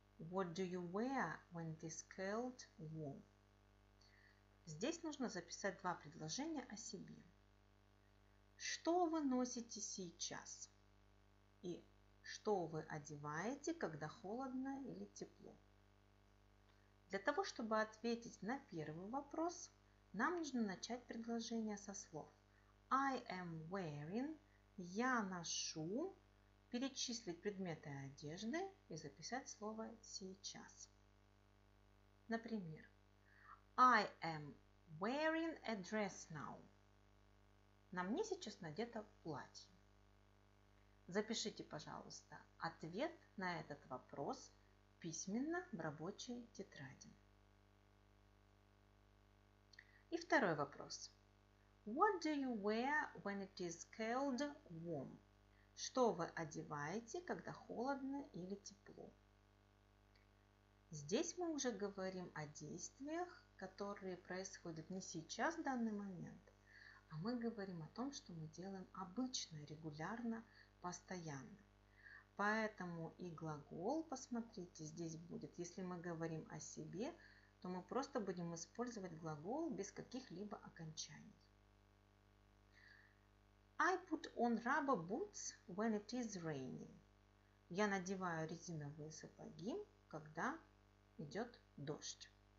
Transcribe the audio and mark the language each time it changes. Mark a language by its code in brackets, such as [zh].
[en] What do you wear when it is cold warm? [ru] Здесь нужно записать два предложения о себе. Что вы носите сейчас? И что вы одеваете, когда холодно или тепло? Для того, чтобы ответить на первый вопрос, нам нужно начать предложение со слов. [en] I am wearing, [ru] я ношу, перечислить предметы одежды и записать слово сейчас. Например, [en] I am wearing a dress now. [ru] На мне сейчас надето платье. Запишите, пожалуйста, ответ на этот вопрос письменно в рабочей тетради. И второй вопрос. [en] What do you wear when it is cold warm? [ru] Что вы одеваете, когда холодно или тепло? Здесь мы уже говорим о действиях, которые происходят не сейчас, в данный момент, а мы говорим о том, что мы делаем обычно, регулярно, постоянно. Поэтому и глагол, посмотрите, здесь будет, если мы говорим о себе, то мы просто будем использовать глагол без каких-либо окончаний. [en] I put on rubber boots when it is raining. [ru] Я надеваю резиновые сапоги, когда идет дождь.